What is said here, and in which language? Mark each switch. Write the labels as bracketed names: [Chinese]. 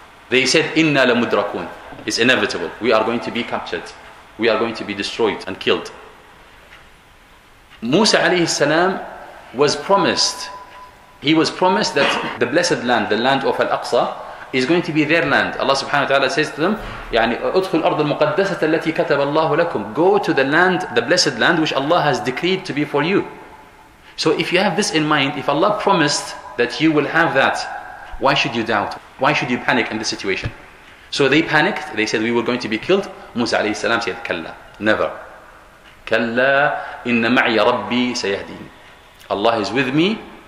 [English] They said, Inna lamudrakun. It's inevitable. We are going to be captured. We are going to be destroyed and killed. Musa alayhi salam was promised. He was promised that the blessed land, the land of Al-Aqsa, is going to be their land. Allah subhanahu wa ta'ala says to them, [Arabic] يعني أدخل الأرض المقدسة التي كتب الله لكم. [English] Go to the land, the blessed land, which Allah has decreed to be for you. So if you have this in mind, if Allah promised that you will have that, why should you doubt? Why should you panic in this situation? So they panicked. They said, we were going to be killed. Musa alayhi salam said, كلا. Never. [Arabic] كلا إن معي ربي سيهدين. [English] Allah is with me.